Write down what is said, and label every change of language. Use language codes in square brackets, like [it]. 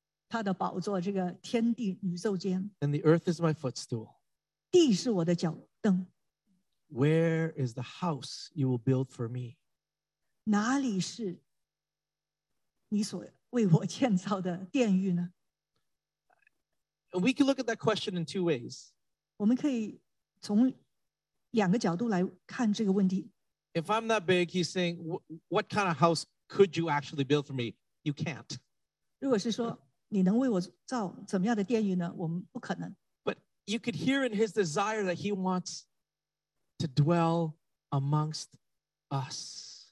[zh] 他就是坐在他的宝座，这个天地宇宙间。 [en] And the earth is my footstool. [zh] 地是我的脚蹬。 [en] Where is the house you will build for me? [zh] 哪里是你所为我建造的殿宇呢？ [en] And we can look at that question in two ways. [zh] 我们可以从两个角度来看这个问题。 [en] If I'm that big, he's saying, what kind of house could you actually build for me? You can't. [zh] 如果是说你能为我造怎么样的殿宇呢？我们不可能。 [en] But you could hear in his desire that he wants to dwell amongst us.